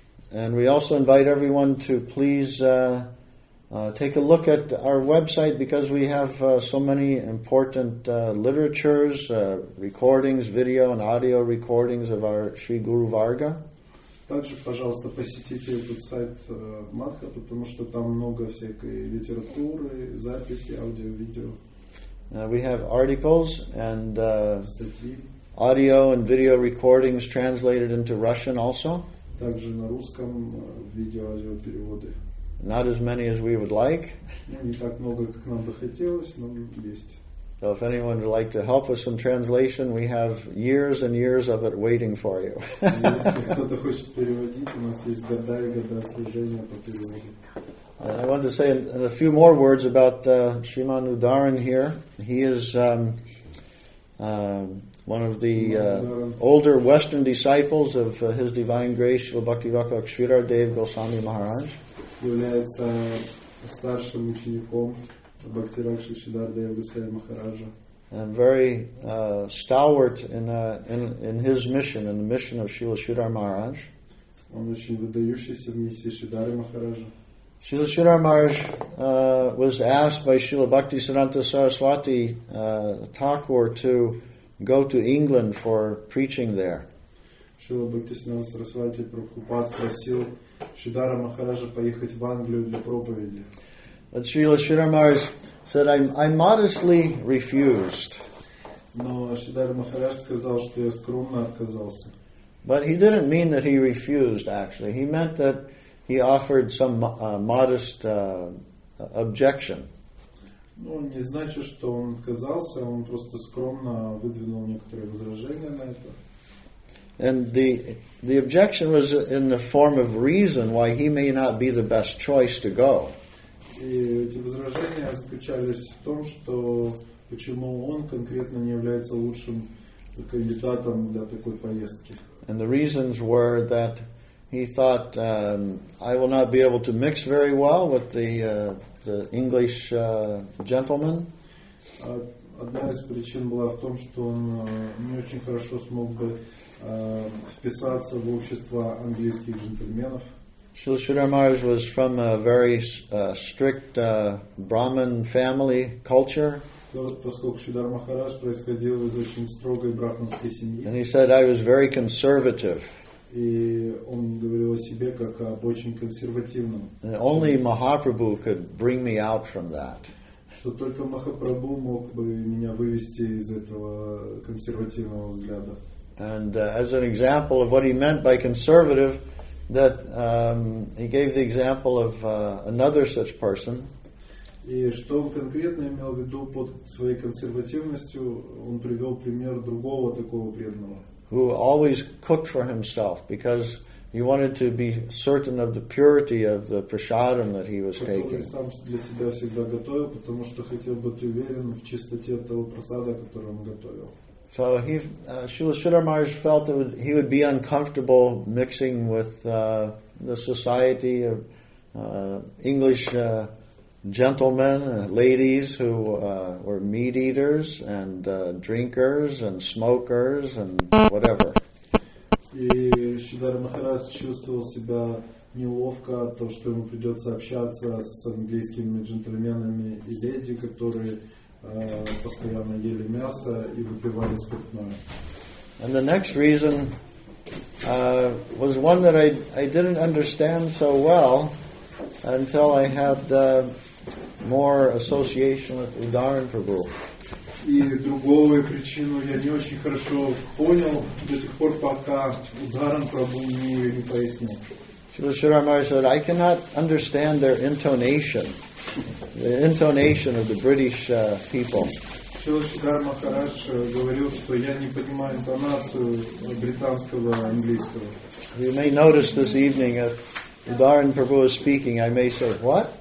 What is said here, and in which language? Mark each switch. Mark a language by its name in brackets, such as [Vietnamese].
[English] And we also invite everyone to please take a look at our website, because we have so many important literatures, recordings, video and audio recordings of our Sri Guru Varga. [Russian] Также, пожалуйста, посетите этот сайт Madhya, потому что там много всякой литературы, записи, аудио, видео. [English] We have articles and [Russian] статьи. [English] Audio and video recordings translated into Russian also. [Russian] Также на русском видео, аудио переводы. [English] Not as many as we would like. [Russian] Не так много, как нам бы хотелось, но есть. [English] So if anyone would like to help with some translation, we have years and years of it waiting for you. [Russian] Если кто-то хочет переводить, у нас есть года и года служения по переводу. [English] I want to say a few more words about Shriman Udaran here. He is one of the older Western disciples of His Divine Grace, Srila Bhaktivinoda Kshirar Dev Goswami Maharaj. [Russian] Является старшим учеником Бхактивинода Кшридхара Дева Госвами Махараджа. [English] And very stalwart in his mission, in the mission of Srila Sridhar Maharaj. [Russian] Он очень выдающийся в миссии Шридхары Махараджа. [English] Srila Sridhar Maharaj was asked by Srila Bhakti Siddhanta Saraswati Thakur to go to England for preaching there. [Russian] Srila Bhakti Siddhanta Saraswati Prabhupada просил Шридхара Махараджа поехать в Англию для проповеди. [English] But Srila Sridhar Maharaj said, I modestly refused. [Russian] Но Шридхара Махарадж сказал, что я скромно отказался. [English] But he didn't mean that he refused, actually. He meant that he offered some modest objection. [Russian] Ну, не значит, что он отказался, он просто скромно выдвинул некоторые возражения на это. [English] And the objection was in the form of reason why he may not be the best choice to go. [Russian] И эти возражения заключались в том, что почему он конкретно не является лучшим кандидатом для такой поездки. [English] And the reasons were that he thought, I will not be able to mix very well with the English gentlemen. [Russian] Одна из причин была в том, что он не очень хорошо смог бы вписаться в общество английских джентльменов. [English] Srila Sridhar Maharaj was from a very strict Brahmin family culture. [Russian] Поскольку Шридхар Махарадж происходил из очень строгой брахманской семьи. [English] And he said, I was very conservative. [Russian] И он говорил о себе как об очень консервативном. [English] And only Mahaprabhu could bring me out from that. [Russian] Что только Махапрабху мог бы меня вывести из этого консервативного взгляда. [English] And as an example of what he meant by conservative, that he gave the example of another such person. [Russian] И что он конкретно имел в виду под своей консервативностью, он привел пример другого такого преданного. [English] Who always cooked for himself because he wanted to be certain of the purity of the prasadam that he was taking. [Russian] Который сам для себя всегда готовил, потому что хотел быть уверен в чистоте того прасада, который он готовил. [English] So Srila Sridhar Maharaj felt that he would be uncomfortable mixing with the society of English gentlemen, ladies who were meat eaters and drinkers and smokers and whatever. [Russian] И Шридхар Махарадж чувствовал себя неловко то, что ему придется общаться с английскими джентльменами и леди, которые постоянно ели мясо и выпивали спиртное. [English] And the next reason was one that I didn't understand so well until I had more association with Udaran Prabhu. [Russian] И другую причину я не очень хорошо понял до тех пор, пока Udaran Prabhu не пояснил. [English] Shrishira Maharaj said, I cannot understand their intonation. The intonation of the British people. [Russian] Shrishira Maharaj говорил, что я не понимаю интонацию британского английского. [English] You may notice this evening if Udaran Prabhu is speaking, I may say, what?